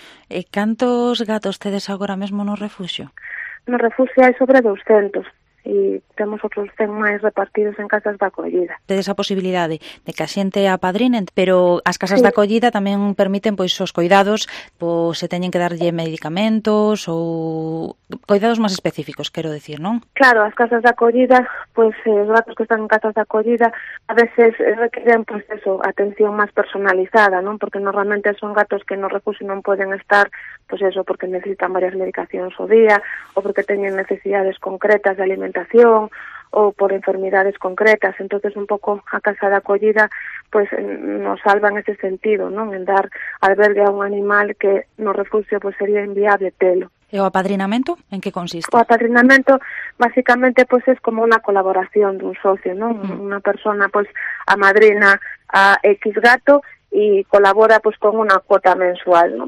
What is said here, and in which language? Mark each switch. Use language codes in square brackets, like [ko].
[gl] E cantos gatos tedes agora mesmo no refuxio? No refuxio hai sobre 200. E temos outros 100 máis repartidos en casas de acollida. Tedes a posibilidade de que a xente apadrinen, pero as casas de acollida tamén permiten pois os cuidados, pois se teñen que darlle medicamentos ou cuidados máis específicos, quero decir, non? Claro, as casas de acollida, pois os gatos que están en casas de acollida a veces requeren pois eso, atención máis personalizada, non? Porque normalmente son gatos que no refuxio non poden estar, pois eso, porque necesitan varias medicacións o día ou porque teñen necesidades concretas de alimentación ou por enfermidades concretas. Entonces un pouco a casa de acollida [es] pues nos salva en ese sentido, ¿no? [gl] En dar albergue a un animal que no refugio [es] pues sería inviable [gl] telo. E o apadrinamento en que consiste? [es] O apadrinamento básicamente pues es como una colaboración de un socio, ¿no? Una persona pues amadrina a X gato e colabora pues con una cuota mensual, ¿no?